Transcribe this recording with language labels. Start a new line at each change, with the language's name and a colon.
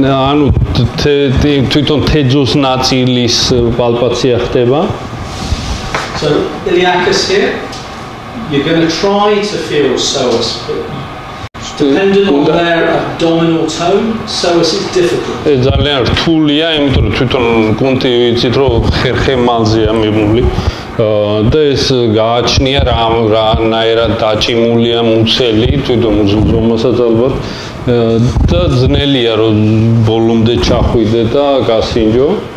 Georgian: ანუ თვითონ თეძოს ნაწილის პალპაცია ხდება.
English: So iliacus here, you're going to try to feel psoas. Depending on their abdominal tone, psoas is difficult.
Georgian: ეს ძალიან რთულია, იმიტომ რომ თვითონ კუნთი ვიცით რომ ხერხე მალზეა მიმული. და ეს გააჩნია რანაირად დაჭიმულია მუცელი თვითონ ზომასაც ალბათ და ძნელია რომ ბოლომდე ჩახვიდე და გასინჯო